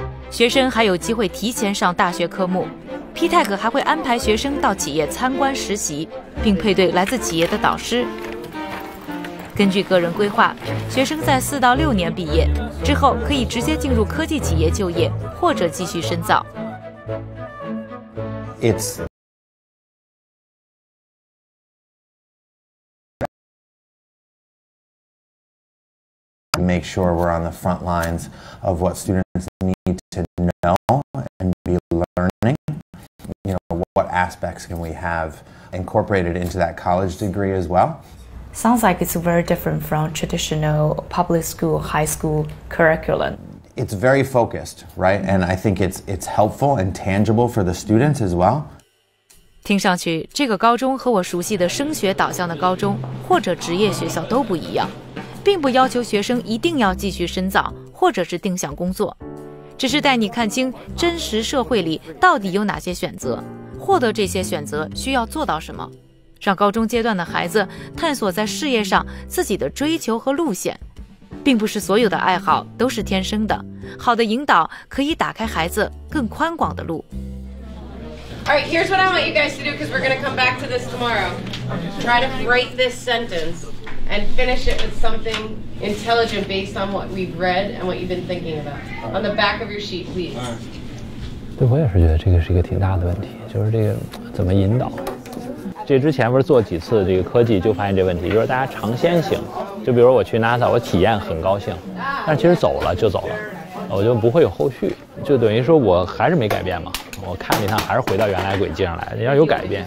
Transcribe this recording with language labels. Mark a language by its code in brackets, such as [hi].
[zh] 学生还有机会提前上大学科目 ，PTech 还会安排学生到企业参观实习，并配对来自企业的导师。根据个人规划，学生在4到6年毕业之后，可以直接进入科技企业就业，或者继续深造。 [en] It's make sure we're on the front lines of what students need to know and be learning. You know, what aspects can we have incorporated into that college degree as well? Sounds like it's very different from traditional public school, high school curriculum. It's very focused, right? And I think it's helpful and tangible for the students as well. [zh] 听上去，这个高中和我熟悉的升学导向的高中或者职业学校都不一样，并不要求学生一定要继续深造或者是定向工作，只是带你看清真实社会里到底有哪些选择，获得这些选择需要做到什么。让高中阶段的孩子探索在事业上自己的追求和路线，并不是所有的爱好都是天生的。好的引导可以打开孩子更宽广的路。 [en] All right, here's what I want you guys to do because we're going to come back to this tomorrow. Try to write this sentence and finish it with something intelligent based on what we've read and what you've been thinking about. On the back of your sheet, please. [zh] 对，我也是觉得这个是一个挺大的问题，就是这个怎么引导。这之前不是做几次这个科技就发现这问题，就是大家尝鲜型，就比如我去 NASA， 我体验很高兴，但其实走了就走了，我就不会有后续，就等于说我还是没改变嘛，我看了一趟还是回到原来轨迹上来，要有改变。